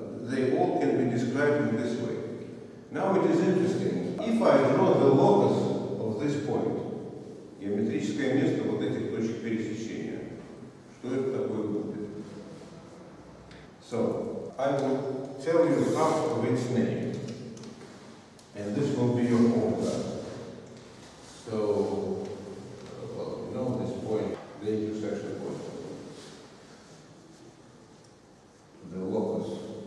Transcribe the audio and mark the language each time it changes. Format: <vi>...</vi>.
<en>They all can be described in this way. Now it is interesting. If I draw the locus of this point,</en> <ru>геометрическое место вот этих точек пересечения, что это такое будет?</ru> <en>So, I will tell you half of its name, and this will be your homework. So, well, you know this point, the intersection point, the locus.</en>